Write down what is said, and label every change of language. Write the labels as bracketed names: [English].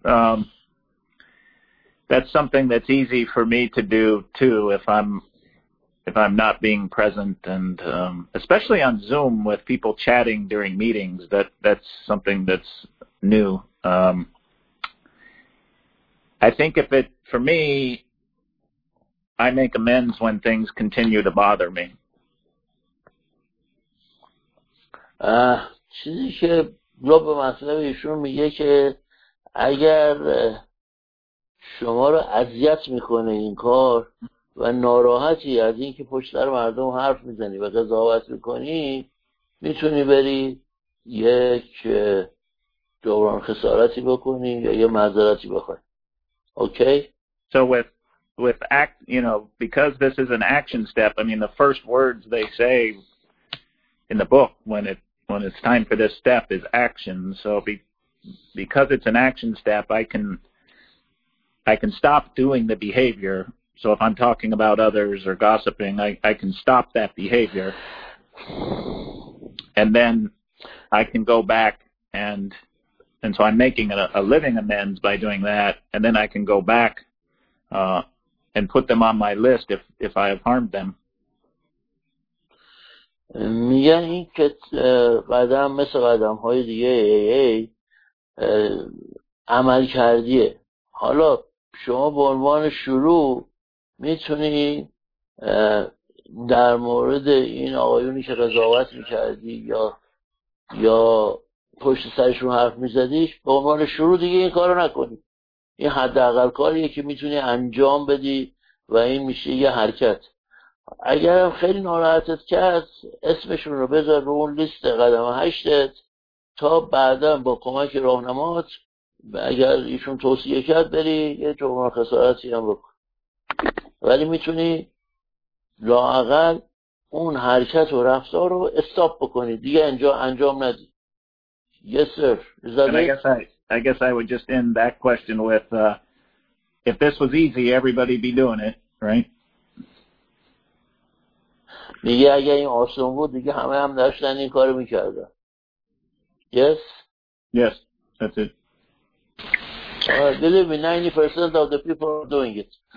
[English] That's something that's easy for me to do too, if I'm not being present, and especially on Zoom with people chatting during meetings, that's something that's new. I think if it for me, I make amends when things continue to bother me. [Persian] چیزی که رو به مطلب ایشون میگه که اگر شما رو اذیت میکنه این کار و ناراحتی از این که پشت در مردم حرف میزنی و قضاوت میکنی، میتونی بری یک جبران خسارتی بکنی یا یه معذرتی بخوای. [English] Okay? So with act, you know, because this is an action step, I mean, the first words they say in the book when it's time for this step is action. So because it's an action step, I can stop doing the behavior. So if I'm talking about others or gossiping, I can stop that behavior. And then I can go back and so I'm making a living amends by doing that. And then I can go back and put them on my list if I have harmed them. [Persian] میگن این که قدم مثل قدم های دیگه AA عمل کردیه. حالا شما به عنوان شروع میتونی در مورد این آقایونی که قضاوت میکردی یا پشت سرشون حرف میزدیش به عنوان شروع دیگه این کارو نکنی. این حداقل کاریه که میتونی انجام بدی و این میشه یه حرکت. اگر هم خیلی ناراحتت کرد اسمشون رو بذار رو اون لیست قدم هشتت تا بعدا با کمک راهنمات اگر ایشون توصیه کرد بری یه جبران خسارتی هم بکن، ولی میتونی لااقل اون حرکت و رفتار رو استاپ بکنی دیگه انجام ندی. [English] Yes sir. Is that it? I guess I would just end that question with if this was easy everybody be doing it, right? [Persian] میگه اگه این آسان بود دیگه همه هم داشتن این کارو میکردن. [English] Yes? Yes, that's it. Believe me, 90% of the people are doing it.